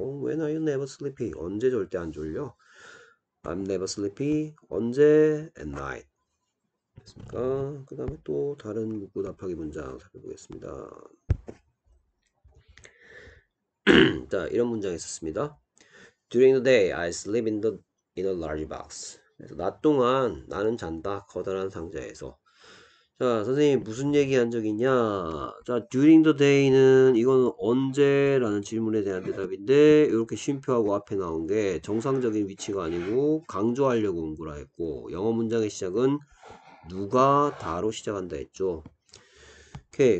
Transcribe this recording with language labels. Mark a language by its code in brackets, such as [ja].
[en] When are you never sleepy? [ko] 언제 절대 안 졸려? [en] I'm never sleepy. [ko] 언제? [en] At night. [ko] 됐습니까? 그 다음에 또 다른 묻고 답하기 문장 살펴보겠습니다. 자, 이런 문장이 있었습니다. [en] During the day, I sleep in a large box. [ko] 그래서 낮 동안 나는 잔다. 커다란 상자에서. 자, 선생님 무슨 얘기 한적 있냐? 자, [en] during the day [ko] 는 이건 언제라는 질문에 대한 대답인데 이렇게 쉼표하고 앞에 나온 게 정상적인 위치가 아니고 강조하려고 온 거라 했고 영어 문장의 시작은 누가 다로 시작한다 했죠. 오케이.